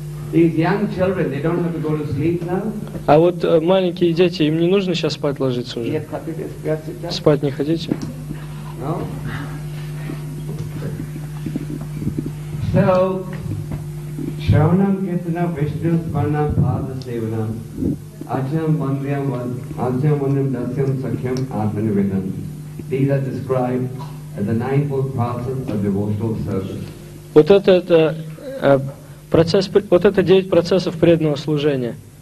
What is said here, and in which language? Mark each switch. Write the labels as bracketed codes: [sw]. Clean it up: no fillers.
[en] These young children, they don't have to go to sleep now. [ru] А вот маленькие дети, им не нужно сейчас спать ложиться уже? Спать не хотите? [en] No. [sa] So, Shravanam Kirtanam Vishnu Smaranam Pada Sevanam Ajam Vandriyam Ajam Vandriyam Dasyam Sakhyam Atmanivedam. [en] These are described as the ninefold process of devotional service. [ru] Вот это процесс, вот это 9 процессов преданного служения.